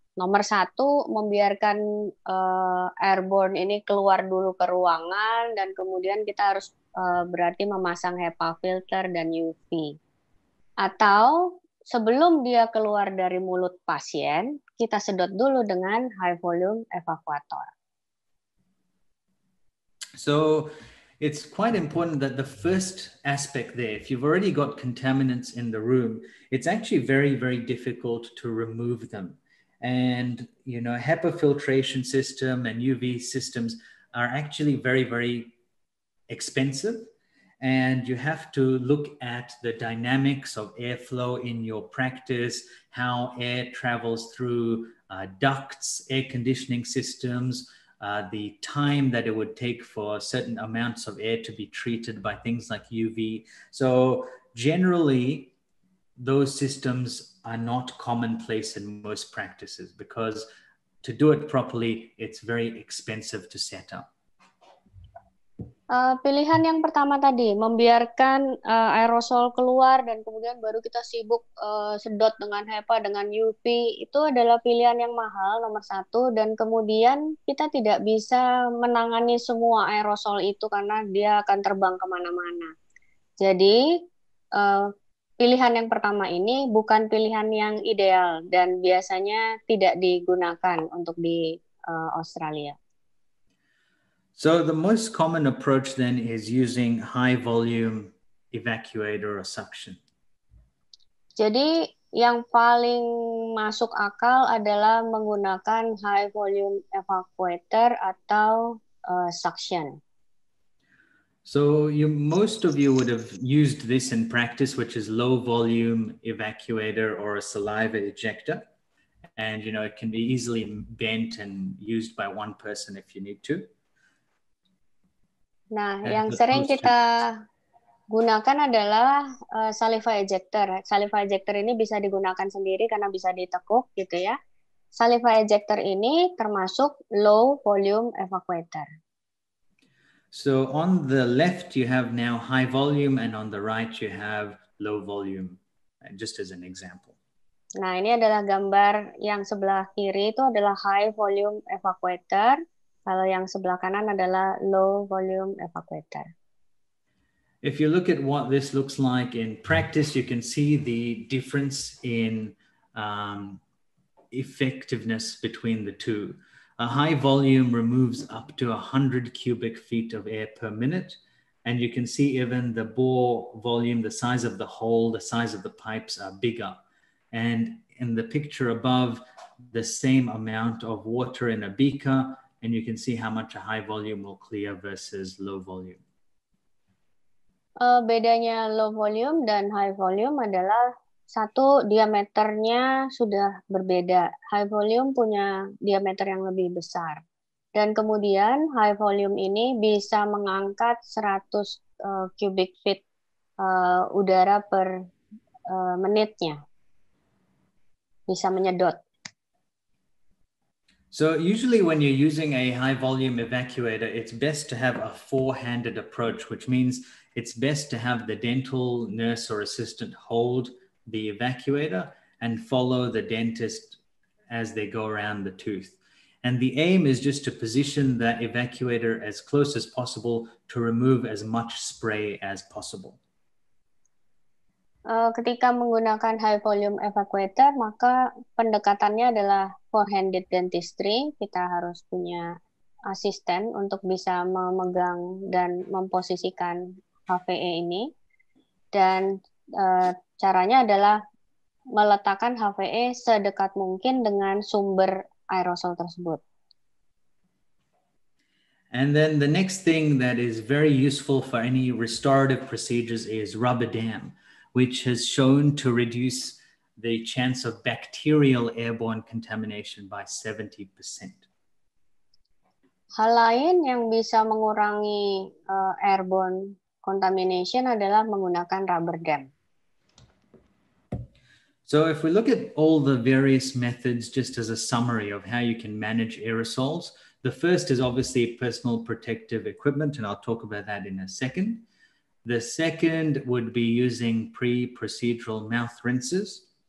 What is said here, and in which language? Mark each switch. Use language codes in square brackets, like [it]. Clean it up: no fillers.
[id] Nomor satu, membiarkan airborne ini keluar dulu ke ruangan dan kemudian kita harus berarti memasang HEPA filter dan UV. Atau sebelum dia keluar dari mulut pasien, kita sedot dulu dengan high volume evacuator. [en] So it's quite important that the first aspect there, if you've already got contaminants in the room, it's actually very, very difficult to remove them. And, you know, HEPA filtration system and UV systems are actually very, very expensive. And you have to look at the dynamics of airflow in your practice, how air travels through ducts, air conditioning systems, the time that it would take for certain amounts of air to be treated by things like UV. So generally, those systems are not commonplace in most practices because to do it properly, it's very expensive to set up. [id] Pilihan yang pertama tadi, membiarkan aerosol keluar dan kemudian baru kita sibuk sedot dengan HEPA, dengan UV, itu adalah pilihan yang mahal, nomor satu. Dan kemudian kita tidak bisa menangani semua aerosol itu karena dia akan terbang kemana-mana. Jadi, pilihan yang pertama ini bukan pilihan yang ideal dan biasanya tidak digunakan untuk di Australia. [en] So the most common approach then is using high volume evacuator or suction. [id] Jadi yang paling masuk akal adalah menggunakan high volume evacuator atau suction. [en] So you, most of you would have used this in practice, which is low volume evacuator or a saliva ejector. And, you know, it can be easily bent and used by one person if you need to. [id] Nah, and yang sering kita gunakan adalah saliva ejector. Saliva ejector ini bisa digunakan sendiri karena bisa ditekuk gitu ya. Saliva ejector ini termasuk low volume evacuator. [en] So on the left, you have now high volume, and on the right, you have low volume, just as an example. [id] Nah, ini adalah gambar yang sebelah kiri itu adalah high volume evacuator. Kalau yang sebelah kanan adalah low volume evacuator. [en] If you look at what this looks like in practice, you can see the difference in effectiveness between the two. A high volume removes up to 100 cubic feet of air per minute. And you can see even the bore volume, the size of the hole, the size of the pipes are bigger. And in the picture above, the same amount of water in a beaker, and you can see how much a high volume will clear versus low volume. [id] Bedanya low volume dan high volume adalah satu, diameternya sudah berbeda. High volume punya diameter yang lebih besar. Dan kemudian high volume ini bisa mengangkat 100 cubic feet udara per menitnya. Bisa menyedot. [en] So usually when you're using a high volume evacuator, it's best to have a four-handed approach, which means it's best to have the dental nurse or assistant hold the evacuator and follow the dentist as they go around the tooth. And the aim is just to position that evacuator as close as possible to remove as much spray as possible. [id] Ketika menggunakan high volume evacuator, maka pendekatannya adalah four-handed dentistry. Kita harus punya asisten untuk bisa memegang dan memposisikan HVE ini. Dan caranya adalah meletakkan HVE sedekat mungkin dengan sumber aerosol tersebut. [en] And then the next thing that is very useful for any restorative procedures is rubber dam, which has shown to reduce the chance of bacterial airborne contamination by 70%. [id] Hal lain yang bisa mengurangi airborne contamination adalah menggunakan rubber dam. [en] So if we look at all the various methods just as a summary of how you can manage aerosols, the first is obviously personal protective equipment, and I'll talk about that in a second. The second would be using pre-procedural mouth rinses.